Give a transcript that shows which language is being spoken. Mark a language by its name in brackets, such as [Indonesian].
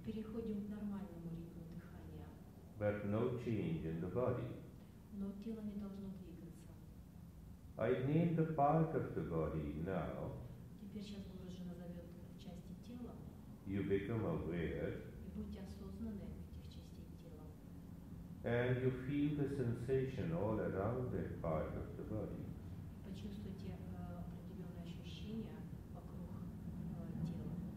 [Russian] Переходим к нормальному ритму дыхания. [English] But no change in the body. [Russian] Но тело не должно двигаться. [English] I name the part of the body now. [Russian] Теперь сейчас Гуруджи назовет части тела. [English] You become aware. [Russian] И будьте осознанны этих частей тела. [English] And you feel the sensation all around that part of the body. [Russian] Почувствуйте определенные ощущения вокруг тела.